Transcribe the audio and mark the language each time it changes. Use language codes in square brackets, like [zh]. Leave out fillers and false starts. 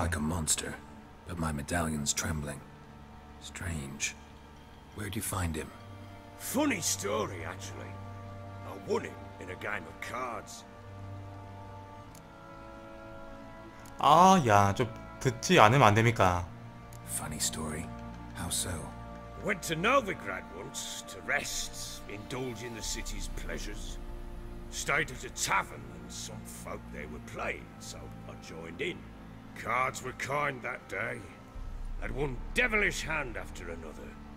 [en] Like a monster, but my medallion's trembling. Strange. Where'd you find him? Funny story, actually. I won him in a game of cards. [ko] 아, 야, 좀 듣지 않으면 안 됩니까? [en] Funny story. How so? I went to Novigrad once to rest, indulge in the city's pleasures. Stayed at a tavern and some folk there were playing, so I joined in. Cards were kind that day. Had one devilish hand after another.